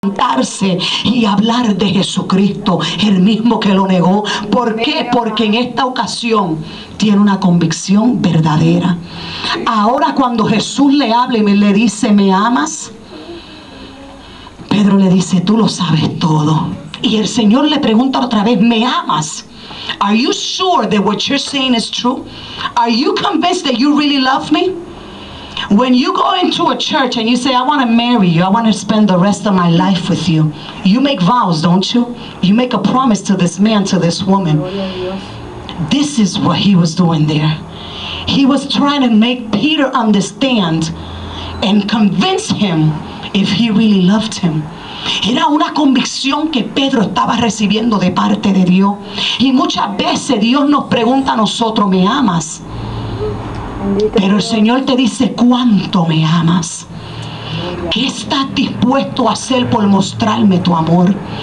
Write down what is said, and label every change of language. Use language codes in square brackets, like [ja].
[es] levantarse y hablar de Jesucristo, el mismo que lo negó. ¿Por qué? Porque en esta ocasión tiene una convicción verdadera. Ahora cuando Jesús le habla y le dice, ¿me amas? Pedro le dice, tú lo sabes todo. Y el Señor le pregunta otra vez, ¿me amas? [en] Are you sure that what you're saying is true? Are you convinced that you really love me? When you go into a church and you say, I want to marry you, I want to spend the rest of my life with you, you make vows, don't you? You make a promise to this man, to this woman. This is what he was doing there. He was trying to make Peter understand and convince him if he really loved him. [es] Era una convicción que Pedro estaba recibiendo de parte de Dios. Y muchas veces Dios nos pregunta a nosotros, ¿me amas? Pero el Señor te dice, ¿cuánto me amas? ¿Qué estás dispuesto a hacer por mostrarme tu amor?